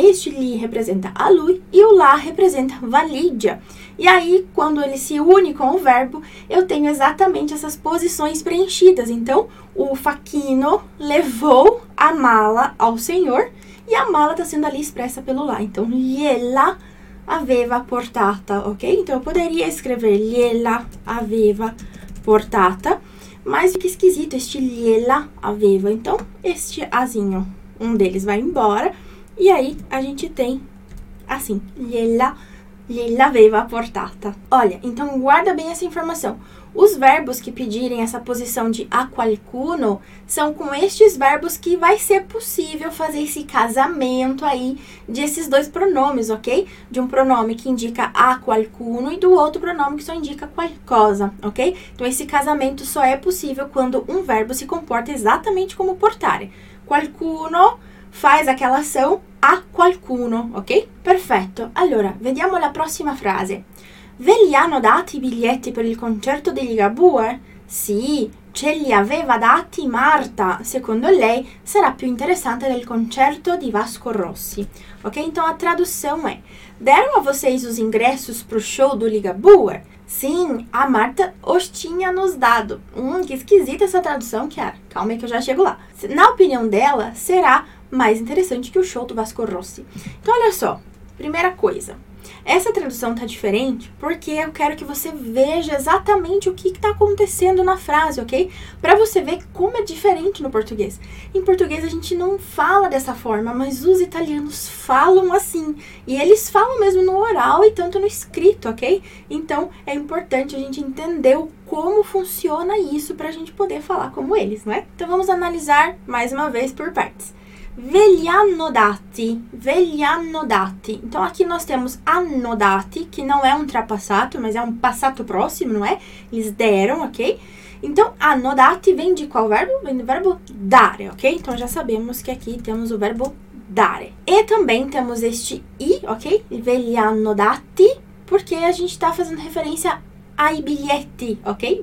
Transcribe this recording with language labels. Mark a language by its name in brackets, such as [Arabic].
[Portuguese] Este li representa a lui e o la representa valídia. E aí, quando ele se une com o verbo, eu tenho exatamente essas posições preenchidas. Então, o Facchino levou a mala ao senhor e a mala está sendo ali expressa pelo lá. Então, [Italian] gliela aveva portata, [Portuguese] ok? Então, eu poderia escrever [Italian] gliela aveva portata, [Portuguese] mas fica esquisito este [Italian] gliela aveva. [Portuguese] Então, este azinho, um deles vai embora e aí a gente tem assim, gliela lhe [Italian] l'aveva portata. [Portuguese] Olha, então guarda bem essa informação. Os verbos que pedirem essa posição de [Italian] a qualcuno [Portuguese] são com estes verbos que vai ser possível fazer esse casamento aí desses dois pronomes, ok? De um pronome que indica [Italian] a qualcuno [Portuguese] e do outro pronome que só indica qualcosa, ok? Então, esse casamento só é possível quando um verbo se comporta exatamente como portare. Qualcuno faz aquela ação a qualcuno, ok? [Italian] Perfetto. Allora, vediamo la prossima frase. Ve li hanno dati i biglietti per il concerto di Ligabue? Sì, ce li aveva dati Marta. Secondo lei sarà più interessante del concerto di Vasco Rossi. [Portuguese] Ok, então a tradução é: deram a vocês os ingressos pro show do Ligabue? Sim, a Marta os tinha nos dado. Que esquisita essa tradução, Chiara. Calma aí que eu já chego lá. Na opinião dela, será mais interessante que o show do Vasco Rossi. Então, olha só. Primeira coisa. Essa tradução está diferente porque eu quero que você veja exatamente o que está acontecendo na frase, ok? Para você ver como é diferente no português. Em português a gente não fala dessa forma, mas os italianos falam assim. E eles falam mesmo no oral e tanto no escrito, ok? Então é importante a gente entender como funciona isso para a gente poder falar como eles, não é? Então vamos analisar mais uma vez por partes. [Italian] Ve li hanno dati, ve li hanno dati. [Portuguese] Então, aqui nós temos hanno dati, que não é um trapassato, mas é um passato próximo, não é? Eles deram, ok? Então, hanno dati vem de qual verbo? Vem do verbo dare, ok? Então, já sabemos que aqui temos o verbo dare. E também temos este i, ok? [Italian] Ve li hanno dati, [Portuguese] porque a gente está fazendo referência ai bilhete, ok?